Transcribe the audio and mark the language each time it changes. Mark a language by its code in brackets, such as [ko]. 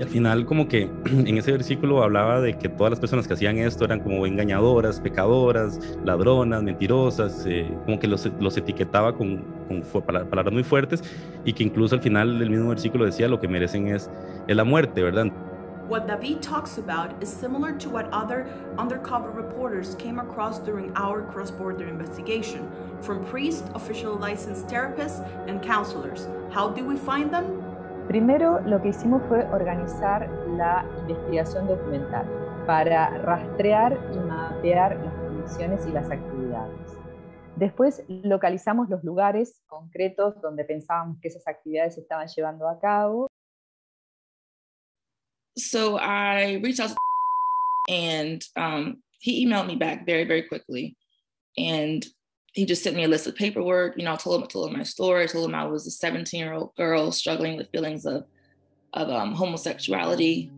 [es] Y al final como que en ese versículo hablaba de que todas las personas que hacían esto eran como engañadoras, pecadoras, ladronas, mentirosas, como que los etiquetaba con palabras muy fuertes y que incluso al final del mismo versículo decía lo que merecen es la muerte, ¿verdad? [en] What David talks about is similar to what other undercover reporters came across during our cross-border investigation, from priests, official licensed therapists, and counselors. How do we find them? [es] Primero, lo que hicimos fue organizar la investigación documental para rastrear y mapear las conexiones y las actividades. Después, localizamos los lugares concretos donde pensábamos que esas actividades se estaban llevando a cabo. [en] So I reached out to And he emailed me back very, very quickly. And he just sent me a list of paperwork. You know, I told him my story. I told him I was a 17-year-old girl struggling with feelings of homosexuality.